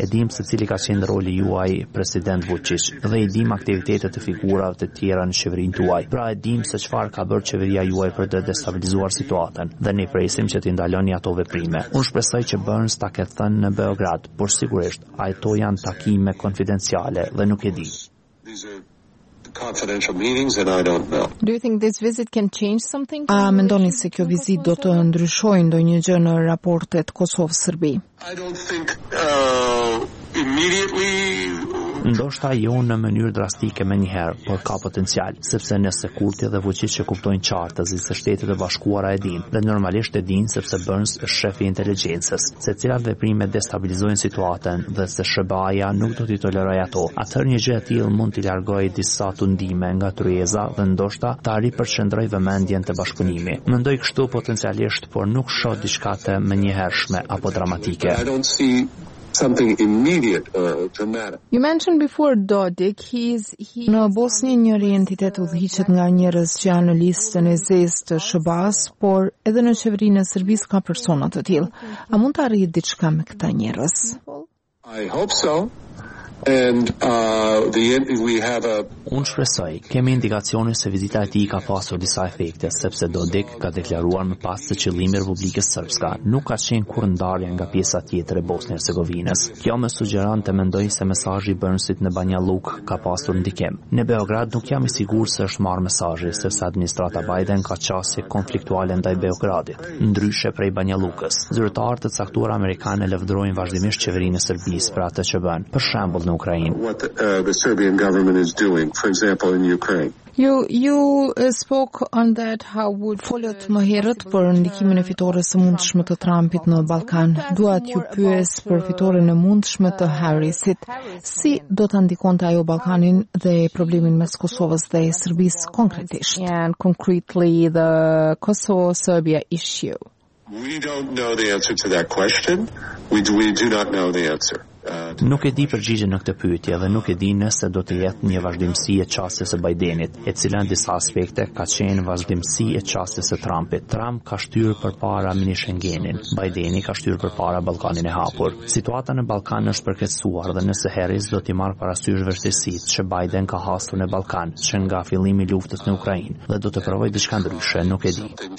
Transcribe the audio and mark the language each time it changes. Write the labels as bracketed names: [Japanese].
[Albanian] E dim se cili ka qenë roli juaj president Vučić dhe i dim aktivitetet e figurave të tjera në qeverinë tuaj. Pra e dim se çfarë ka bërë qeveria juaj për të destabilizuar situatën dhe ne presim që t'i ndaloni ato veprime. Unë shpresoj që Burns ta ketë thënë në Beograd, por sigurisht ato janë takime konfidenciale dhe nuk e di. [English] Confidential meetings and I don't know. Do you think this visit can change something? [Albanian] A mendoni se kjo vizitë do të ndryshojë ndonjë gjë në raportet Kosovë-Serbi? [English] I don't think immediately. [Albanian] Ndoshta jo në mënyrë drastike me njëherë, por ka potencial, sepse nëse Kurti dhe Vučić që kuptojnë qartë se se Shtetet e Bashkuara e dinë, dhe normalisht e dinë sepse Burns është shefi i inteligjencës, se cilat veprime destabilizojnë situatën dhe se Shëbaja nuk do t'i tolerojë ato, atëherë një gjë e tillë mund t'i largojë disa tundime nga tryeza dhe ndoshta ta ripërqendrojë vëmendjen te bashkëpunimi. Mendoj kështu potencialisht, por nuk shoh diçka të menjëhershme apo dramatike. [English] Something immediate dramatic. You mentioned before Dodik, he's [Albanian] në Bosnjë një entitet udhëhiqet nga njerëz që janë në listën e zezë të Shëbas, por edhe në qeverinë e Serbisë ka persona të tillë. A mund të arrijë diçka me këta njerëz? I hope so. Unë shpresoj, kemi indikacione se vizita e tij ka pasur disa efekte, sepse Dodik ka deklaruar më pas se qëllimi i Republikës Srpska nuk ka qenë kur ndarje nga pjesa tjetër e Bosnjë-Hercegovinës. Kjo më sugjeron të mendoj se mesazhi i Burnsit në Banja Luka ka pasur ndikim. Në Beograd nuk jam i sigurt se është marrë mesazhi, sepse administrata Biden ka qasje konfliktuale ndaj Beogradit, ndryshe prej Banja Lukës. Zyrtarët e caktuar amerikanë lëvdrojnë vazhdimisht qeverinë e Serbisë për atë që bën. Për shembull, në Ukrainë. [English] What the Serbian government is doing, for example, in Ukraine. You spoke on that how would [Albanian] folët më herët për ndikimin e fitores së mundshme të Trumpit në Ballkan. Dua t'ju pyes për fitoren e mundshme të Harrisit. Si do ta ndikonte ajo Ballkanin dhe problemin mes Kosovës dhe Serbisë konkretisht? [English] And concretely the Kosovo-Serbia issue. We don't know the answer to that question. We do not know the answer. [Albanian] Nuk e di përgjigjen në këtë pyetje dhe nuk e di nëse do të jetë një vazhdimsi e çastjes së Bidenit, e cila në disa aspekte ka qenë vazhdimsi e çastjes së Trumpit. Trump ka shtyrë përpara mini Schengenin, Bideni ka shtyrë përpara Ballkanin e hapur. Situata në Ballkan është përkeqësuar dhe nëse Harris do t'i marrë parasysh vështirësitë që Biden ka hasur në Ballkan, që nga fillimi i luftës në Ukrainë, dhe do të provojë diçka ndryshe, nuk e di.